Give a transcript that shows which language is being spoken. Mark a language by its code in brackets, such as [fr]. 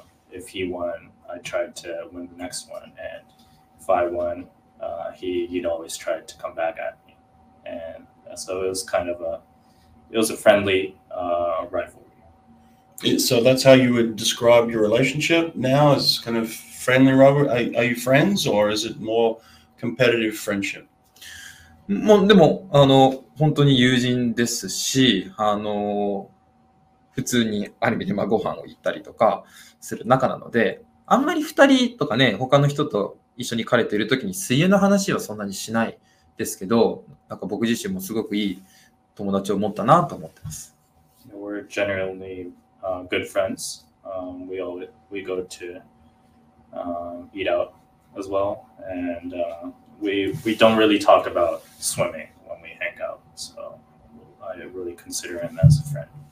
[en] If he won, I tried to win the next one, and if I won, he'd always try to come back at me, and so it was kind of a friendly rivalry. So that's how you would describe your relationship now, as kind of friendly rivalry. Are you friends, or is it more competitive friendship? [ja] もうでもあの本当に友人ですし、あの普通にある意味でまあご飯を行ったりとかする仲なので、あんまり2人とかね他の人と一緒に彼といる時に水泳の話はそんなにしないですけど、なんか僕自身もすごくいい友達を持ったなと思ってます。 [en] We're generally good friends. We go to eat out as well, and we don't really talk about swimming when we hang out, so I really consider him as a friend.